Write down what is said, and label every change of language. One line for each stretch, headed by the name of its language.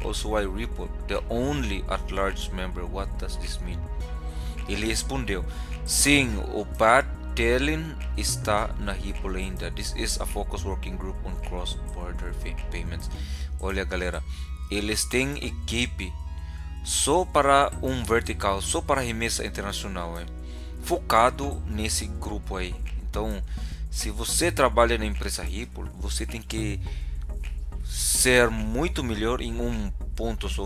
English: Also, why Ripple, the only at-large member? What does this mean?
Portuguese: Ele respondeu: Sim, o Pat Tillen está na Ripple ainda.
English: This is a focus working group on cross-border payments.
Portuguese: Olha, galera, eles têm equipe só para um vertical, só para remessa internacional, hein? Focado nesse grupo aí. Então, se você trabalha na empresa Ripple, você tem que ser muito melhor em um ponto só.